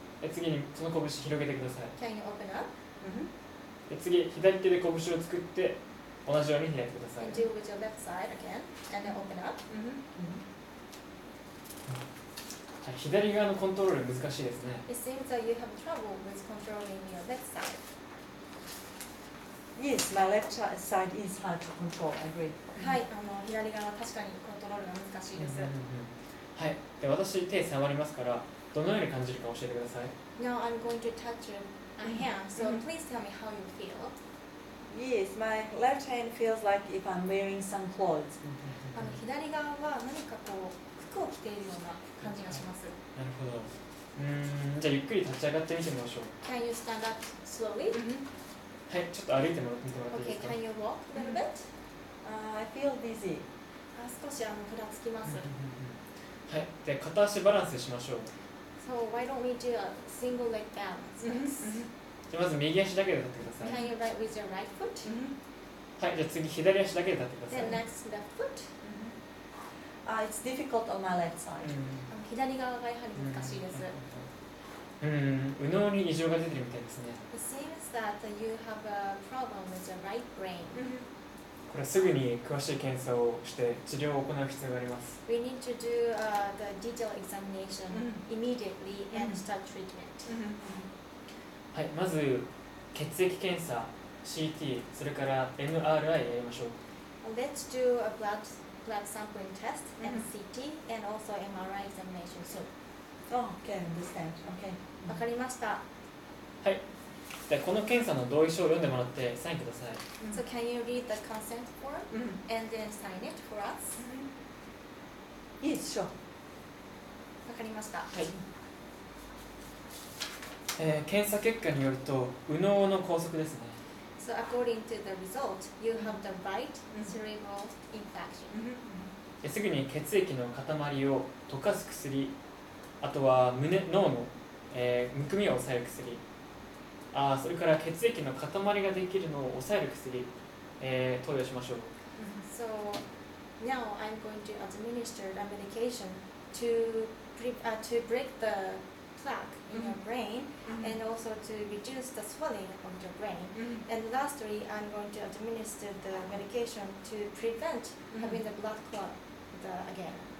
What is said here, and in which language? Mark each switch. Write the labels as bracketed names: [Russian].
[Japanese] 次にその拳を広げてください。 [English] Can you open up? [Japanese] 次、左手で拳を作って同じように開いてください。 [English] And do it with your left side again, and then open up. [Japanese] じゃあ左側のコントロール難しいですね。 [English] It seems that you have trouble with controlling your left side. Yes, my left side is hard to control, I agree. [Japanese] はい、左側は確かにコントロールが難しいです。はい、で私手触りますからどのように感じるか教えてください。 [English] Now I'm going to touch your hand, so please tell me how you feel. Yes, my left hand feels like if I'm wearing some clothes. [Japanese] 左側は何かこう服を着ているような感じがします。なるほど。じゃあゆっくり立ち上がってみてみましょう。 [English] Can you stand up slowly? [Japanese] はい、ちょっと歩いてもらってみてもらっていいですか？ [English] Okay, can you walk a little bit? I feel dizzy. [Japanese] 少しふらつきます。はい、で片足バランスしましょう。 [English] So why don't we do a single leg balance? [Japanese] じゃあまず右足だけで立ってください。 [English] Can you write with your right foot? [Japanese] はい、じゃあ次左足だけで立ってください。 [English] Then next left foot. It's difficult on my left side. [Japanese] 左側がやはり難しいです。右脳に異常が出てるみたいですね。 [English] It seems that you have a problem with your right brain. [Japanese] これすぐに詳しい検査をして治療を行う必要があります。 [English] We need to do the detailed examination immediately and start treatment. [Japanese] はい、まず血液検査、CT、それから MRI やりましょう。 [English] Let's do a blood sampling test and CT and also MRI examination soon. Okay, understand. Okay. [Japanese] わかりました。はい。でこの検査の同意書を読んでもらってサインください。 [English] So can you read the consent form and then sign it for us? Yes, sure. [Japanese] わかりました。はい。検査結果によると右脳の梗塞ですね。 [English] So according to the result, you have the right cerebral infarction. [Japanese] すぐに血液の塊を溶かす薬、あとは胸脳の、むくみを抑える薬。あ、それから血液の塊ができるのを抑える薬、投与しましょう。 [English] So now I'm going to administer a medication to to break the plaque in your brain and also to reduce the swelling of your brain. And lastly, I'm going to administer the medication to prevent having the blood clot again.